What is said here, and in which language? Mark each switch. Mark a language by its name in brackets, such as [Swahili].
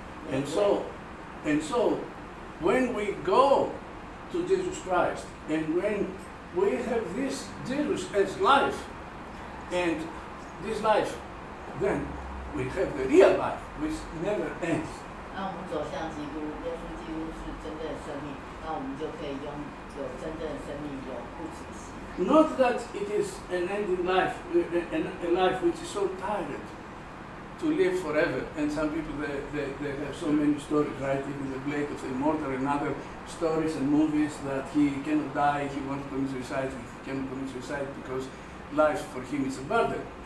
[English] And so, when we go to Jesus Christ,And when we have this Jesus as life, and this life, then we have the real life, which never ends. [Chinese] 那我们走向基督，耶稣基督是真正的生命，那我们就可以拥有真正的生命，永不止息。 [English] Not that it is an ending life, a life which is so tired to live forever. And some people, they have so many stories, right? Even the Blade of the Immortal and other. Stories and movies that he cannot die, he wants to commit suicide, he cannot commit suicide because life for him is a burden.